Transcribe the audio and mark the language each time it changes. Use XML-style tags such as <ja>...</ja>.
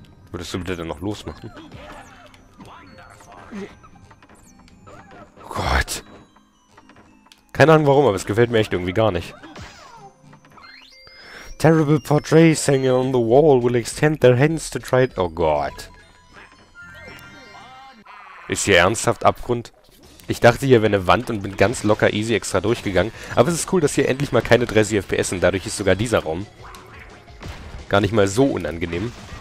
<de>Würdest du bitte dann noch losmachen? Oh Gott. Keine Ahnung warum, aber es gefällt mir echt irgendwie gar nicht.</de> <en>Terrible portraits hanging on the wall will extend their hands to try...</en> <de>Oh Gott. Ist hier ernsthaft Abgrund? Ich dachte, hier wäre eine Wand und bin ganz locker easy extra durchgegangen. Aber es ist cool, dass hier endlich mal keine 30 FPS sind. Dadurch ist sogar dieser Raum gar nicht mal so unangenehm.</de>